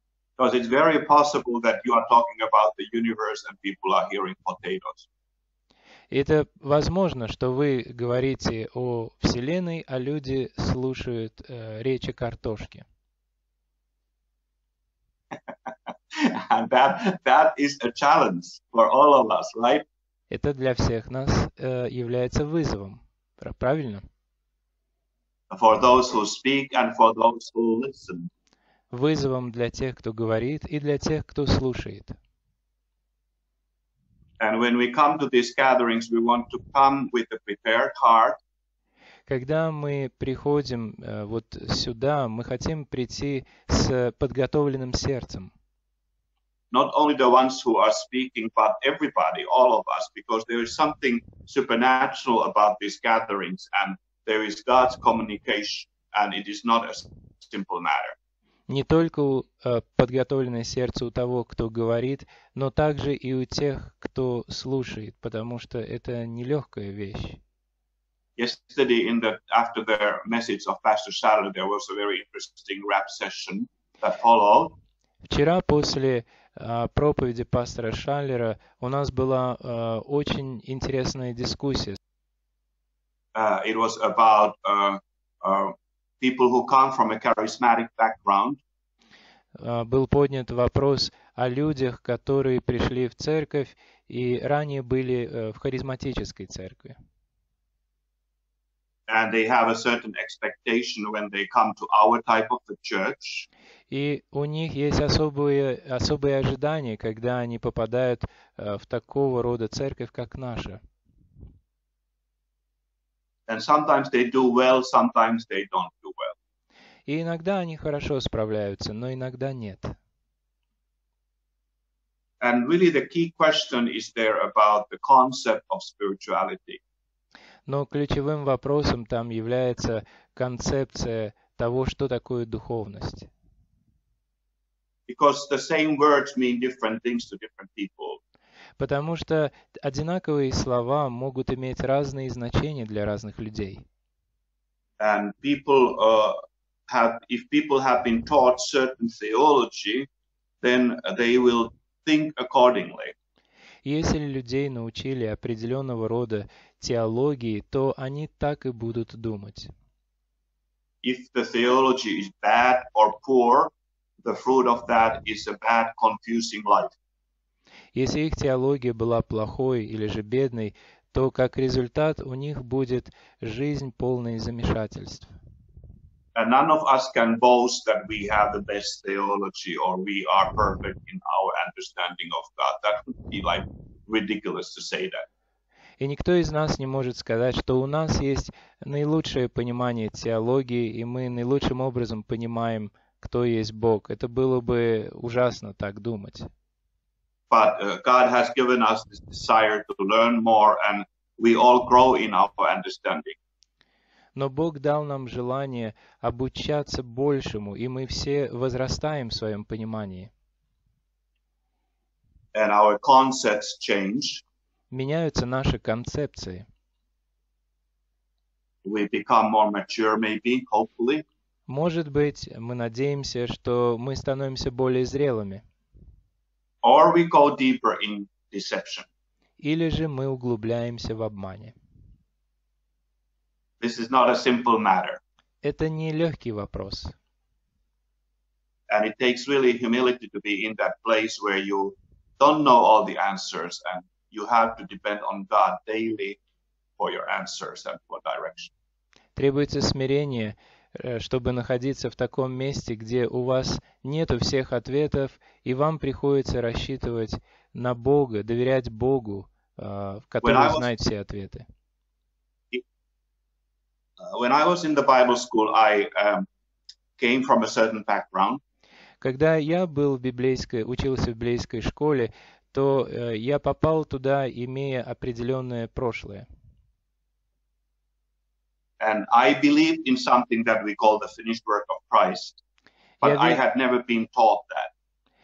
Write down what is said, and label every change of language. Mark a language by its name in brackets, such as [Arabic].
[English] Because it's very possible that you are talking about the universe and people are hearing potatoes. [Russian] Это возможно, что вы говорите о Вселенной, а люди слушают речи картошки. [English] And that is a challenge for all of us, right? [Russian] Это для всех нас является вызовом, правильно? [English] for those who speak and for those who listen. [Russian] Вызовом для тех, кто говорит, и для тех, кто слушает. [English] And when we come to these gatherings, we want to come with a prepared heart. [Russian] Когда мы приходим вот сюда, мы хотим прийти с подготовленным сердцем. [English] Not only the ones who are speaking, but everybody, all of us, because there is something supernatural about these gatherings, and there is God's communication, and it is not a simple matter. [Russian] Не только подготовленное сердце у того, кто говорит, но также и у тех, кто слушает, потому что это нелегкая вещь. [English] Yesterday, after the message of Pastor Shadow, there was a very interesting rap session that followed. [Russian] Вчера после проповеди пастора Шаллера у нас была очень интересная дискуссия. [English] It was about people who come from a charismatic background. [Russian] Был поднят вопрос о людях, которые пришли в церковь и ранее были в харизматической церкви. [English] And they have a certain expectation when they come to our type of the church. [Russian] И у них есть особые ожидания, когда они попадают в такого рода церковь, как наша. [English] And sometimes they do well, sometimes they don't do well. [Russian] И иногда они хорошо справляются, но иногда нет. [English] And really the key question is there about the concept of spirituality. [Russian] Но ключевым вопросом там является концепция того, что такое духовность. [English] Because the same words mean different things to different people. [Russian] Потому что одинаковые слова могут иметь разные значения для разных людей. [English] And people if people have been taught certain theology, then they will think accordingly. [Russian] Если людей научили определенного рода теологии, то они так и будут думать. [English] If the theology is bad or poor, the fruit of that is a bad, confusing life. [Russian] Если их теология была плохой или же бедной, то как результат у них будет жизнь полная замешательств. [English] And none of us can boast that we have the best theology or we are perfect in our understanding of God. That would be like ridiculous to say that. [Russian] И никто из нас не может сказать, что у нас есть наилучшее понимание теологии и мы наилучшим образом понимаем кто есть Бог. Это было бы ужасно так думать. [English] But God has given us this desire to learn more and we all grow in our understanding. [Russian] Но Бог дал нам желание обучаться большему, и мы все возрастаем в своем понимании. [English] And our concepts change. [Russian] Меняются наши концепции. [English] We become more mature, maybe, hopefully. [Russian] Может быть, мы надеемся, что мы становимся более зрелыми. [English] Or we go deeper in deception. [Russian] Или же мы углубляемся в обмане. [English] This is not a simple matter. [Russian] Это не легкий вопрос. [English] And it takes really humility to be in that place where you don't know all the answers and you have to depend on God daily for your answers and for direction. [Russian] Требуется смирение, чтобы находиться в таком месте, где у вас нету всех ответов, и вам приходится рассчитывать на Бога, доверять Богу, который знает все ответы. [English] When I was in the Bible school, I came from a certain background. [Russian] Когда я был в учился в библейской школе, то я попал туда, имея определенное прошлое. [English] And I believed in something that we call the finished work of Christ, but I had never been taught that.